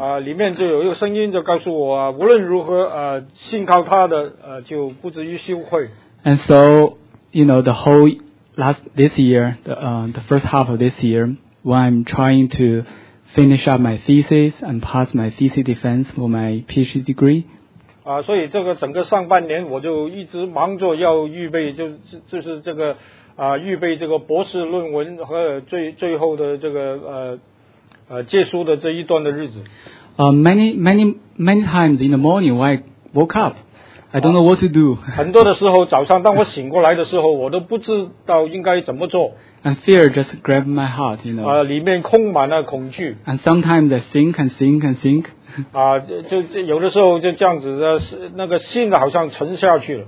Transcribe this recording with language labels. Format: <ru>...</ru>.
<zh>里面就有一个声音就告诉我，无论如何，信靠他的，就不至于羞愧。</zh> <en>And so, you know, the whole this year, the first half of this year, when I'm trying to finish up my thesis and pass my thesis defense for my PhD degree,</en> <zh>所以这个整个上半年我就一直忙着要预备，就是这个预备这个博士论文和最后的这个结束的这一段的日子。</zh> <en>Many times in the morning when I woke up, I don't know what to do.</en> <zh>很多的时候早上当我醒过来的时候，我都不知道应该怎么做。</zh> <en>And fear just grabbed my heart, you know.</en> <zh>里面充满了恐惧。</zh> <en>And sometimes I think and think and think.</en> <zh>就有的时候就这样子的，那个心好像沉下去了。</zh>